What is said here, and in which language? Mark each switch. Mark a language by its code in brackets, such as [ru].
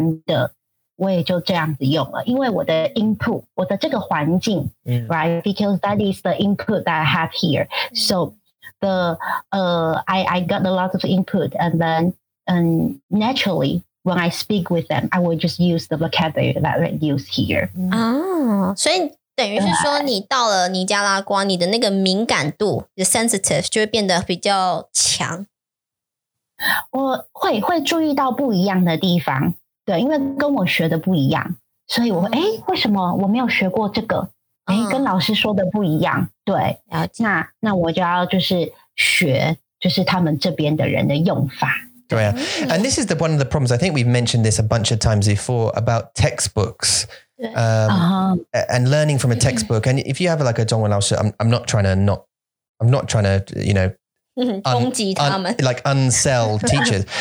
[zh] 没有耶,就是听,我觉得多听,听久了,他就,哦,大家这样用,那我就自然而然的,我也就这样子用了, 因为我的input, 我的这个环境, right? [en] Because that is the input that I have here. So, I got a lot of input, and then, naturally, when I speak with them, I will just use the vocabulary that I use here. [zh] Oh, 所以等于是说你到了尼加拉瓜, 你的那个敏感度, [en] the sensitive, [zh] 就会变得比较强。我会注意到不一样的地方, 对,因为跟我学的不一样, 所以我,为什么我没有学过这个? 跟老师说的不一样,对。那我就要就是学,就是他们这边的人的用法。 [en] Oh, yeah. And this is one of the problems. I think we've mentioned this a bunch of times before about textbooks. And learning from a textbook. And if you have like a [zh] 中文老师, [en] I'm not trying to, you know, unsell teachers.